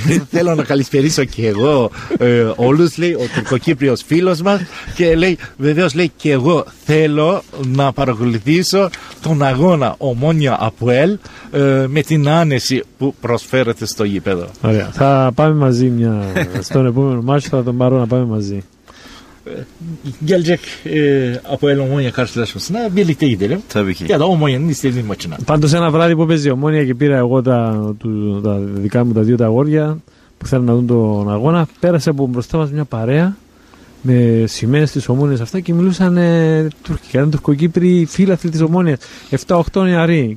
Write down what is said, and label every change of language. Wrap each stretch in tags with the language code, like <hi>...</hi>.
<el>Θέλω να καλησπερίσω και εγώ όλους, λέει ο Τουρκοκύπριος φίλος μας, και λέει, βεβαίως λέει, και εγώ θέλω να παρακολουθήσω τον αγώνα Omonia Aboyl με την άνεση που προσφέρεται στο γήπεδο. Ωραία. Θα πάμε μαζί μια στον επόμενο μάτσο, θα τον πάρω να πάμε μαζί.</el> <tr>Gelecek Apoel Omonia karşılaşmasına birlikte gidelim. Tabii ki. Ya da Omonia'nın istediğin maçına.</tr> <el>Πάντως ένα βράδυ που παίζει Omonia και πήρα εγώ τα δικά μου τα δύο τα αγόρια που θέλουν να δουν τον αγώνα, πέρασε από μπροστά μας μια παρέα με σημαίες της Ομόνιας αυτά και μιλούσαν Τούρκοι. Ήταν Τουρκοκύπριοι φίλαθλοι της Ομόνιας. 7-8 νεαροί.</el>